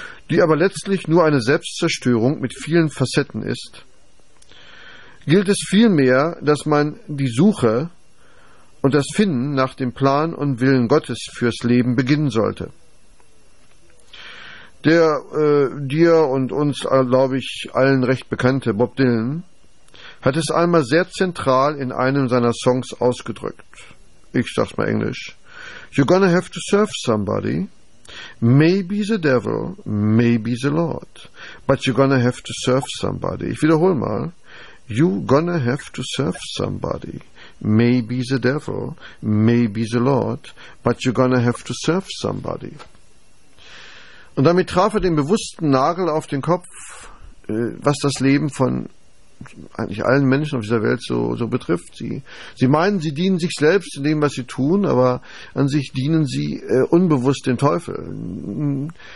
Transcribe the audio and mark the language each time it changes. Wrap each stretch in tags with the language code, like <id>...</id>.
<de>Die aber letztlich nur eine Selbstzerstörung mit vielen Facetten ist, gilt es vielmehr, dass man die Suche und das Finden nach dem Plan und Willen Gottes fürs Leben beginnen sollte. Der dir und uns, glaube ich, allen recht bekannte Bob Dylan hat es einmal sehr zentral in einem seiner Songs ausgedrückt. Ich sag's mal Englisch.</de> <en>You're gonna have to serve somebody. Maybe the devil, maybe the Lord. But you're gonna have to serve somebody.</en> <de>Ich wiederhole mal.</de> <en>You're gonna have to serve somebody. Maybe the devil, maybe the Lord. But you're gonna have to serve somebody.</en> <de>Und damit traf er den bewussten Nagel auf den Kopf, was das Leben von eigentlich allen Menschen auf dieser Welt so betrifft. Sie meinen, sie dienen sich selbst in dem, was sie tun, aber an sich dienen sie unbewusst dem Teufel.</de>